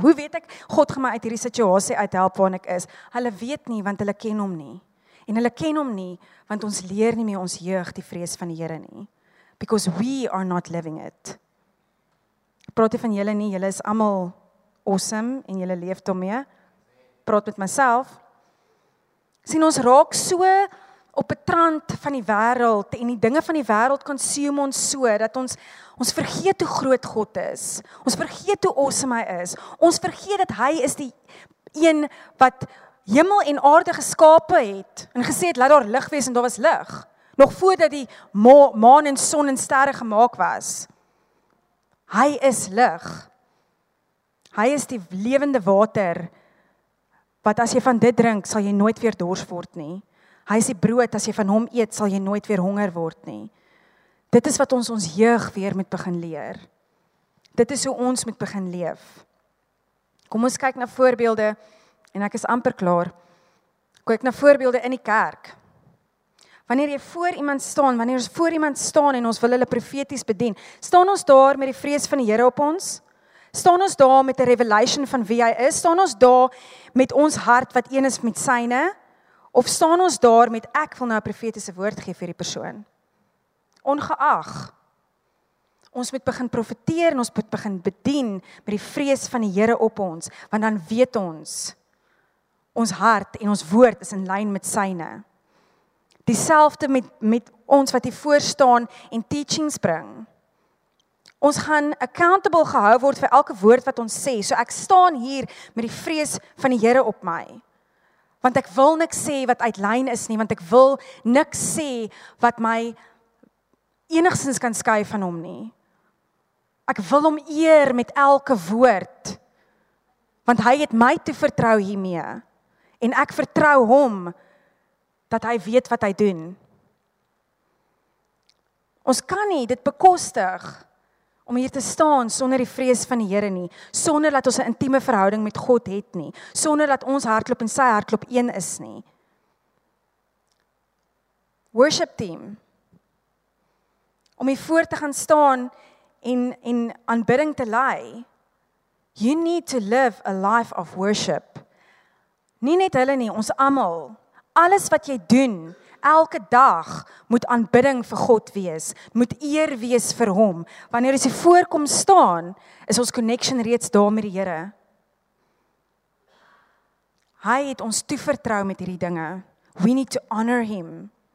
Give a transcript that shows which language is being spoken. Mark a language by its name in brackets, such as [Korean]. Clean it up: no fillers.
[Afrikaans] Hoe weet ek God gaan my uit hierdie situasie uithelp waarin ek is? Hulle weet nie, want hulle ken hom nie. En hulle ken hom nie, want ons leer nie meer ons jeug die vrees van die Here nie. [English] Because we are not living it. [Afrikaans] Praat jy van julle nie, julle is almal awesome en julle leef daarmee. Praat met myself. Sien, ons raak so op 'n trant van die wêreld en die dinge van die wêreld consume ons so dat ons vergeet hoe groot God is. Ons vergeet hoe awesome hy is. Ons vergeet dat hy is die een wat hemel en aarde geskape het en gesê het laat daar lig wees en daar was lig. Nog voordat die maan en son en sterre gemaak was. Hy is lig. Hy is die lewende water wat as jy van dit drink, sal jy nooit weer dors word nie. Hy is die brood, as jy van hom eet, sal jy nooit weer honger word nie. Dit is wat ons jeug weer moet begin leer. Dit is hoe ons moet begin leef. Kom ons kyk na voorbeelde, en ek is amper klaar. Kyk na voorbeelde in die kerk. Wanneer jy voor iemand staan, wanneer ons voor iemand staan en ons wil hulle profeties bedien, staan ons daar met die vrees van die Here op ons? Staan ons daar met 'n revelation van wie hy is? Staan ons daar met ons hart wat een is met syne? Of staan ons daar met ek wil nou 'n profetiese woord gee vir die persoon? Ongeag, ons moet begin profeteer en ons moet begin bedien met die vrees van die Here op ons, want dan weet ons hart en ons woord is in lyn met syne. Dieselfde met ons wat hier voor staan en teachings bring. Ons gaan accountable gehou word vir elke woord wat ons sê. So ek staan hier met die vrees van die Here op my. Want ek wil niks sê wat uit lyn is nie, want ek wil niks sê wat my enigsins kan skei van hom nie. Ek wil hom eer met elke woord. Want hy het my toe vertrou hiermee. En ek vertrou hom dat hy weet wat hy doen. Ons kan nie dit bekostig om hier te staan sonder die vrees van die Here nie, sonder dat ons 'n intieme verhouding met God het nie, sonder dat ons hartklop en sy hartklop een is nie. Worship team, om hier voor te gaan staan en aanbidding te lei, [English] You need to live a life of worship. [Afrikaans] Nie net hulle nie, ons almal. Alles wat jy doen, elke dag moet aanbidding vir God wees, moet eer wees vir hom. Wanneer ons hier voorkom staan, is ons connection reeds daar met die Here. Hy het ons toevertrou met hierdie dinge. [English] We need to honor him.